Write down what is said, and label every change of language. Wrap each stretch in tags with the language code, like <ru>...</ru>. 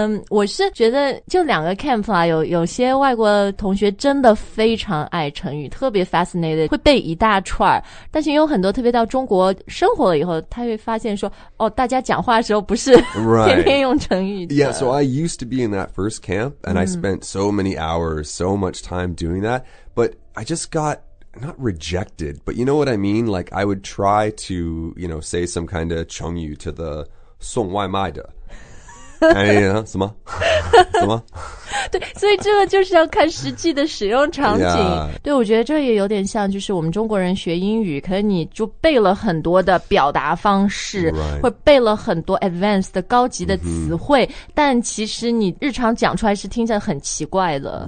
<zh>我是觉得就两个 camp 啊有些外国同学真的非常爱成语特别 fascinated, 会背一大串但是有很多特别到中国生活了以后他会发现说哦大家讲话的时候不是、</zh> <en>right.</en> <zh>天天用成语的。</zh> <en>Yeah, so I used to be in that first camp, and、mm. I spent so many hours, so much time doing that, but I just got... not rejected, but you know what I mean? Like, I would try to, you know, say some kind of 成语 to the</en> <zh>送外卖的。哎呀，什么？什么？对，所以这个就是要看实际的使用场景。</zh> <en>Yeah.</en> <zh>对，我觉得这也有点像，就是我们中国人学英语，可能你就背了很多的表达方式，</zh> <en>right.</en> <zh>会背了很多 advanced 的高级的词汇， mm-hmm. 但其实你日常讲出来是听起来很奇怪的。</zh>